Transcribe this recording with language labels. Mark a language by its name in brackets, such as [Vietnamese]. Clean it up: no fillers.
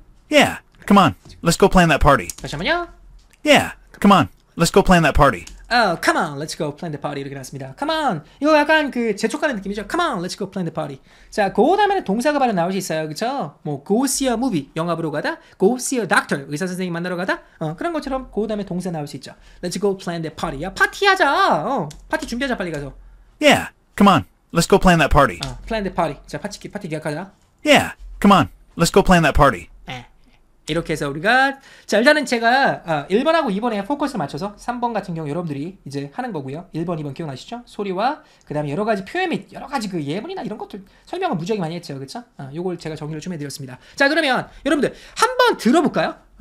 [English] Yeah, come on, let's go plan that party. [Korean] 잠시만요. [English] Yeah, come on, let's go plan that party. Oh, come on, let's go plan the party. [Korean] 이렇게 나왔습니다. [English] Come on, [Korean] 이거 약간 그 재촉하는 느낌이죠. [English] Come on, let's go plan the party. [Korean] 자, go 다음에는 동사가 바로 나올 수 있어요. 그쵸? 뭐, [English] go see a movie, [Korean] 영화 보러 가다. [English] Go see a doctor, [Korean] 의사 선생님 만나러 가다. 그런 것처럼 go 다음에 동사 나올 수 있죠. [English] Let's go plan the party. [Korean] 야, 파티하자. 파티 준비하자, 빨리 가서. [English] Yeah, come on, let's go plan that party. Plan the party. [Korean] 자, 파티 계약하자. [English] Yeah, come on. Let's go plan that party. [Korean] 이렇게 해서 우리가 자 일단은 제가 1번하고 2번에 포커스를 맞춰서 3번 같은 경우 여러분들이 이제 하는 거고요. 1번, 2번 기억나시죠? 소리와 그 다음에 여러 가지 표현 및 여러 가지 그 예문이나 이런 것들 설명을 무지하게 많이 했죠. 그렇죠? 요걸 제가 정리를 좀 해드렸습니다. 자 그러면 여러분들 한번 들어볼까요?